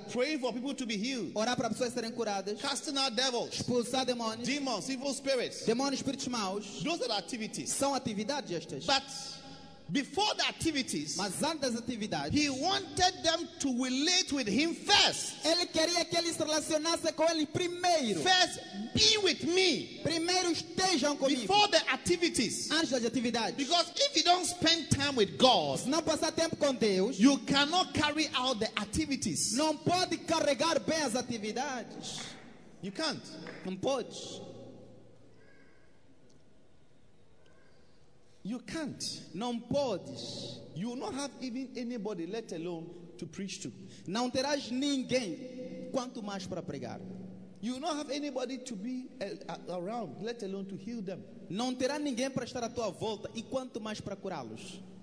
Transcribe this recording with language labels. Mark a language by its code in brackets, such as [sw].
[en] Pray for people to be healed. [pt] Orar para pessoas serem curadas. [en] Casting out devils. [pt] Expulsar demônios. [en] Demons, evil spirits. [pt] Demônios, espíritos maus. [en] Those are the activities. [pt] São atividades estas. [en] But before the activities, [pt] mas antes das atividades, [en] he wanted them to relate with him first. [pt] Ele queria que eles se relacionassem com ele primeiro. [en] First, be with me. [pt] Primeiro estejam comigo. [en] Before the activities, [pt] antes das atividades. [en] Because if you don't spend time with God, [pt] se não passar tempo com Deus, [en] you cannot carry out the activities. [pt] Não pode carregar bem as atividades. [en] You can't. [pt] Não pode. [en] You can't. [pt] Não podes. [en] You will not have even anybody, let alone to preach to. [pt] Não terás ninguém, quanto mais para pregar. [en] You will not have anybody to be around, let alone to heal them. [pt] Não terá ninguém para estar à tua volta, e quanto mais para curá-los.